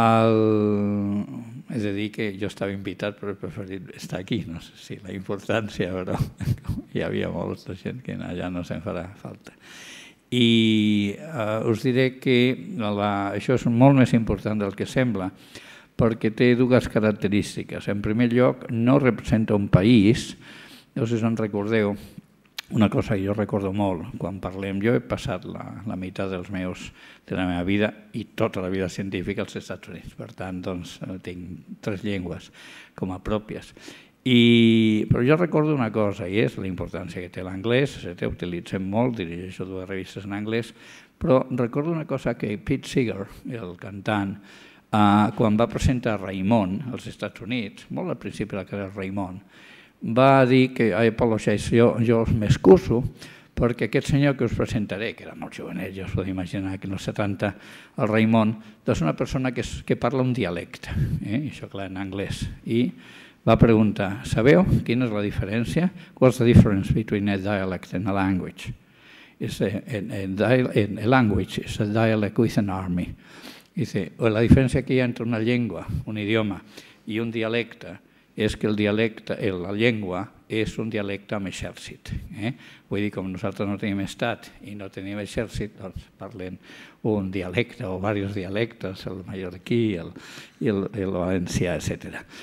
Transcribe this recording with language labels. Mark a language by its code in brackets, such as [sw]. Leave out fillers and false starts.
[ca] És a dir, que jo estava invitat, però he preferit estar aquí, no sé si la importància, però hi havia molta gent que allà no se'n farà falta. I us diré que això és molt més important del que sembla, perquè té dues característiques. En primer lloc, no representa un país. No sé si en recordeu una cosa que jo recordo molt quan parlem. Jo he passat la meitat de la meva vida i tota la vida científica als Estats Units. Per tant, doncs, tinc tres llengües com a pròpies. Però jo recordo una cosa, i és la importància que té l'anglès, ho utilitzem molt, dirigeixo dues revistes en anglès, però recordo una cosa que Pete Seeger, el cantant, quan va presentar Raymond als Estats Units, molt al principi la carrera de Raymond, va dir que, jo m'excuso, perquè aquest senyor que us presentaré, que era molt jovenet, ja us podeu imaginar, que en els 70, el Raymond, doncs és una persona que parla un dialecte, això clar, en anglès, i va preguntar, sabeu quina és la diferència? [en] What's the difference between a dialect and a language? A language is a dialect with an army. [ca] Dice, la diferència que hi ha entre una llengua, un idioma, i un dialecte és que la llengua és un dialecte amb exèrcit. Vull dir, com nosaltres no tenim estat i no tenim exèrcit, doncs parlem un dialecte o diversos dialectes, el mallorquí i el valencià, etc.